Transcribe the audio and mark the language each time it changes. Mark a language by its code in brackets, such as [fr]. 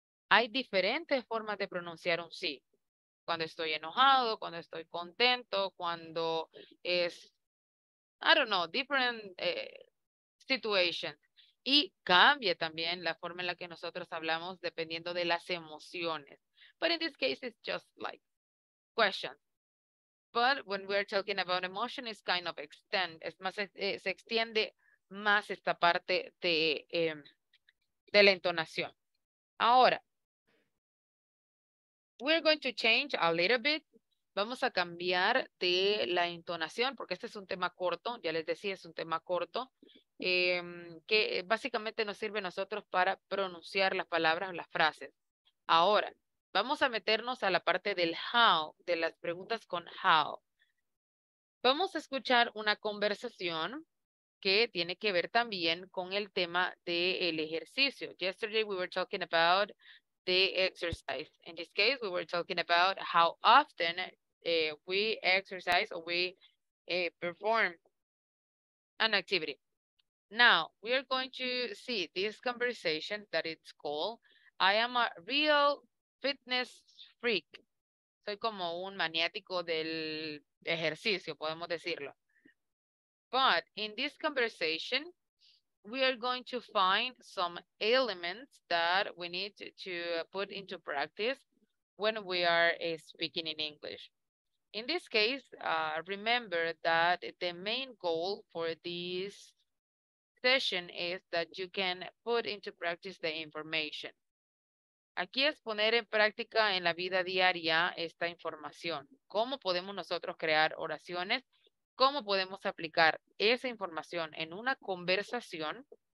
[es] Hay diferentes formas de pronunciar un sí. Cuando estoy enojado, cuando estoy contento, cuando es, [en] I don't know, different situations. [es] Y cambia también la forma en la que nosotros hablamos dependiendo de las emociones. [en] But in this case, it's just like questions. But when we're talking about emotion, it's kind of extend. [es] Es más, se extiende más esta parte de la entonación. Ahora, [en] we're going to change a little bit. [es] Vamos a cambiar de la entonación, porque este es un tema corto, ya les decía, es un tema corto, que básicamente nos sirve a nosotros para pronunciar las palabras, las frases. Ahora, vamos a meternos a la parte del how, de las preguntas con how. Vamos a escuchar una conversación que tiene que ver también con el tema del ejercicio. [en] Yesterday we were talking about the exercise. In this case, we were talking about how often we exercise or we perform an activity. Now, we are going to see this conversation that it's called I am a real fitness freak. [es] Soy como un maniático del ejercicio, podemos decirlo. [en] But in this conversation, we are going to find some elements that we need to put into practice when we are speaking in English. In this case, remember that the main goal for this session is that you can put into practice the information. [es] Aquí es poner en práctica en la vida diaria esta información. ¿Cómo podemos nosotros crear oraciones? ¿Cómo podemos aplicar esa información en una conversación?